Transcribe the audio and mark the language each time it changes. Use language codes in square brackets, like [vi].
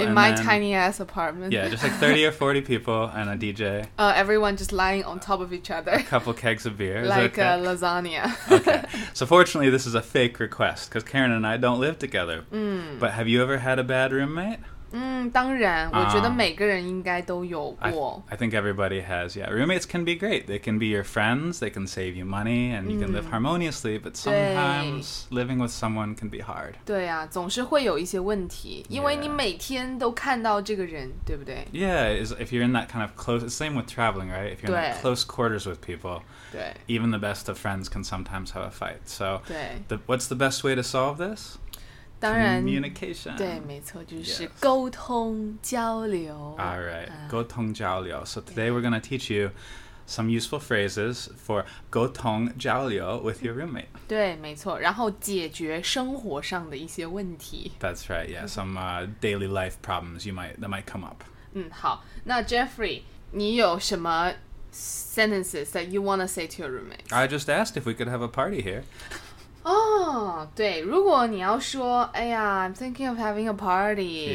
[en] In my tiny ass apartment. Yeah, just like 30 or 40 people and a DJ. Everyone just lying on top of each other. A couple kegs of beer. Like a lasagna. Okay. So fortunately, this is a fake request because Karen and I don't live together. But have you ever had a bad roommate? [zh] 当然。我觉得每个人应该都有过。 [en] I think everybody has, yeah. Roommates can be great. They can be your friends, they can save you money, and you can live harmoniously, but sometimes living with someone can be hard. [zh] 对啊，总是会有一些问题，因为你每天都看到这个人，对不对？ [en] Yeah, if you're in that kind of close, same with traveling, right? If you're in that close quarters with people, even the best of friends can sometimes have a fight. So, what's the best way to solve this? [zh] 当然 [en] communication. [zh] 对没错就是沟通交流 [en] Alright, [zh] 沟通交流 [en] So today we're going to teach you some useful phrases for 沟通交流 with your roommate [zh] 对没错然后解决生活上的一些问题 [en] That's right, yeah, some daily life problems that might come up [zh] 好那 [en] Jeffrey, [zh] 你有什么 [en] sentences that you want to say to your roommate? I just asked if we could have a party here [zh] 对如果你要说哎呀 [en] I'm thinking of having a party